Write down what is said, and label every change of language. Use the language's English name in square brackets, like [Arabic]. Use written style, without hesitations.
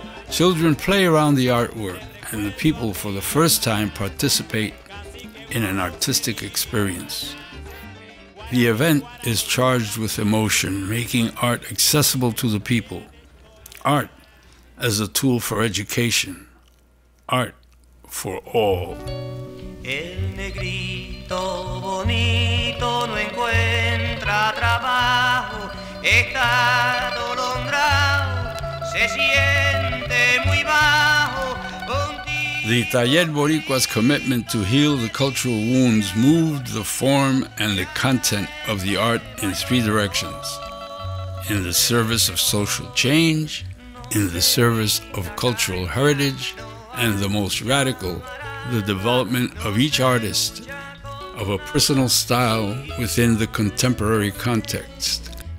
[English] Children play around the artwork, and the people for the first time participate in an artistic experience. The event is charged with emotion, making art accessible to the people. Art as a tool for education. Art for all. [Spanish] El negrito bonito no encuentra trabajo, está atolondrado, se siente muy bajo. [English] The Taller Boricua's commitment to heal the cultural wounds moved the form and the content of the art in three directions: in the service of social change, in the service of cultural heritage, and the most radical, the development of each artist of a personal style within the contemporary context.